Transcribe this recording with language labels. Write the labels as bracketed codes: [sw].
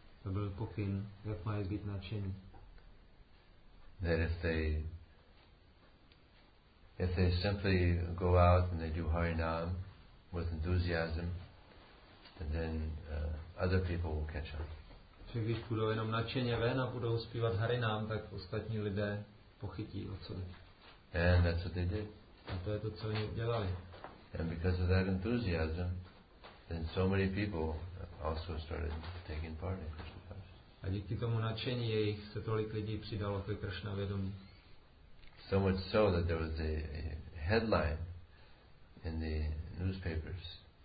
[cs] To byl pokyn, jak mají být nadšení. [en] That if they simply go out and they do Harinam with enthusiasm, then other people will catch on. [cs] Že když půjdou jenom nadšeně ven a budou zpívat Harinam, tak ostatní lidé pochytí o co. [en] And that's what they did. [cs] A to je to, co oni udělali. [en] And because of that enthusiasm, then so many people also started taking part in Krishna consciousness. [cs] A díky tomu nadšení jejich se tolik lidí přidalo ke Krishna vědomí. [en] So much so that there was a headline in the newspapers.